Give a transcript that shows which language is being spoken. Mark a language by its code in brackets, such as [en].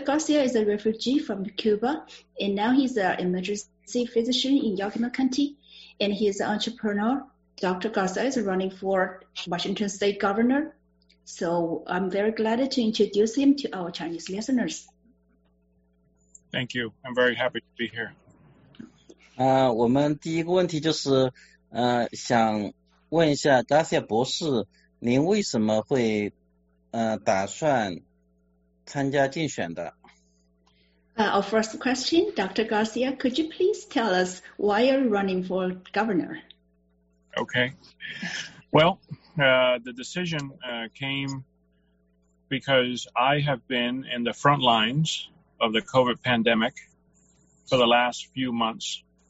[en] Garcia is a refugee from Cuba, and now he's an emergency physician in Yakima County, and he's an entrepreneur. Dr. Garcia is running for Washington State Governor. So I'm very glad to introduce him to our Chinese listeners. Thank you. I'm very happy to be here. [zh] 我们第一个问题就是想问一下 Garcia 博士，您为什么会打算参加竞选的。 [en] Our first question, Dr. Garcia, could you please tell us why you're running for governor? Okay. Well, the decision came because I have been in the front lines of the COVID pandemic for the last few months.